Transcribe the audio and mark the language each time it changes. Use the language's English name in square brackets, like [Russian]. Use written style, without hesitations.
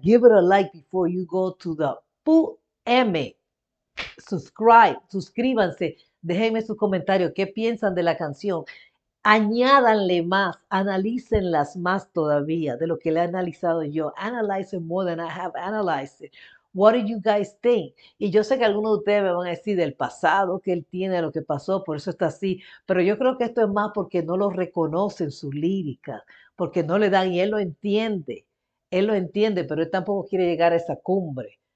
[English] Give it a like before you go to the PM. [Spanish] Suscríbanse, déjenme sus comentarios, qué piensan de la canción, añádanle más, analícenlas más todavía de lo que le he analizado yo. [English] Analyze it more than I have analyzed it. What do you guys think? [Spanish] Y yo sé que algunos de ustedes me van a decir del pasado que él tiene, lo que pasó, por eso está así, pero yo creo que esto es más porque no lo reconocen su lírica, porque no le dan, y él lo entiende, pero él tampoco quiere llegar a esa cumbre.